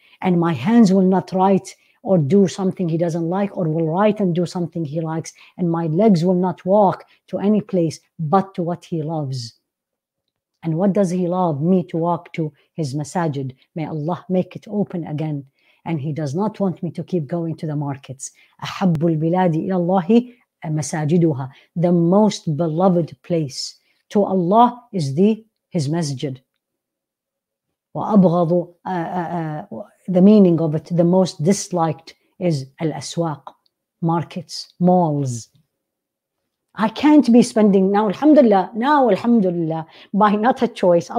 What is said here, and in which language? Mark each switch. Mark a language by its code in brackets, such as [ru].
[en] And my hands will not write or do something He doesn't like, or will write and do something He likes. And my legs will not walk to any place but to what He loves. And what does He love? Me to walk to His masajid. May Allah make it open again. And He does not want me to keep going to the markets. [ar] أحب البلاد إلى الله مساجدها. [en] The most beloved place to Allah is His masjid. [ar] وأبغض, [en] the meaning of it, the most disliked is الأسواق, markets, malls. I can't be spending now, alhamdulillah, by not a choice.